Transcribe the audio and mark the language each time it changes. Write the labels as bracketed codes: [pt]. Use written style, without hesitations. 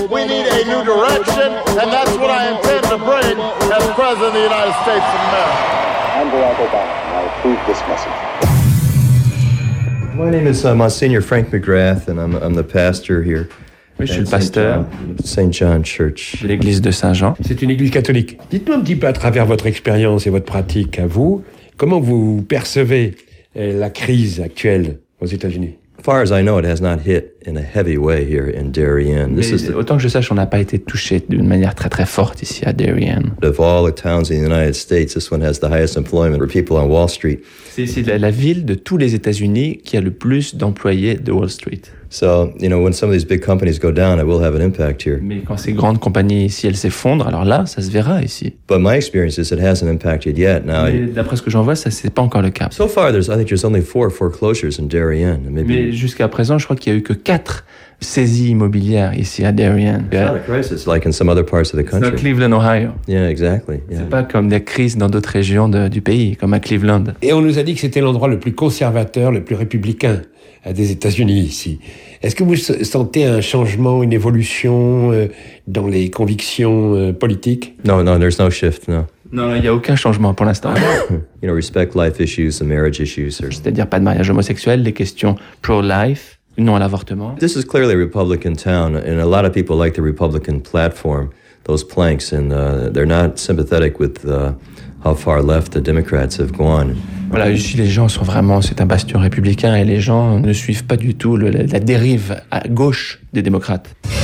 [en] We need a new direction, and that's what I intend to bring as president of the United States of America. I'm Barack Obama. I approve this message. My name is Monsignor Frank McGrath, and I'm the pastor here. [fr] Oui, je suis le pasteur. [en] Saint John Church. [fr] L'église de Saint Jean. C'est une église catholique. Dites-moi un petit peu, à travers votre expérience et votre pratique à vous, comment vous percevez la crise actuelle aux États-Unis? [en] As far as I know, it has not hit in a heavy way here in Darien. This is [fr] autant que je sache, on n'a pas été touché d'une manière très très forte ici à Darien. [en] Of all the towns in the United States, this one has the highest employment for people on Wall Street. [fr] C'est la ville de tous les États-Unis qui a le plus d'employés de Wall Street. [en] So, you know, when some of these big companies go down, it will have an impact here. [fr] Mais quand ces grandes compagnies, si elles s'effondrent, alors là, ça se verra ici. [en] But my experience is it hasn't impacted yet. Now, [fr] d'après ce que j'en vois, ça c'est pas encore le cas. [en] So far, I think there's only four foreclosures in Darien. Maybe. [fr] Mais jusqu'à présent, je crois qu'il y a eu que quatre saisies immobilières ici à Darien. [en] It's not a crisis like in some other parts of the country. It's not Cleveland, Ohio. Yeah, exactly. Yeah. [fr] C'est pas comme des crises dans d'autres régions du pays, comme à Cleveland. Et on nous a dit que c'était l'endroit le plus conservateur, le plus républicain des États-Unis ici. Est-ce que vous sentez un changement, une évolution dans les convictions politiques? [en] Non, there's no shift, no. [fr] Non, il n'y a aucun changement pour l'instant. [en] You know, respect life issues, the marriage issues. [fr] C'est-à-dire pas de mariage homosexuel, les questions pro-life, non à l'avortement. [en] This is clearly a Republican town, and a lot of people like the Republican platform, those planks, and they're not sympathetic with how far left the Democrats have gone. [fr] Voilà, ici les gens sont vraiment, c'est un bastion républicain et les gens ne suivent pas du tout la dérive à gauche des démocrates.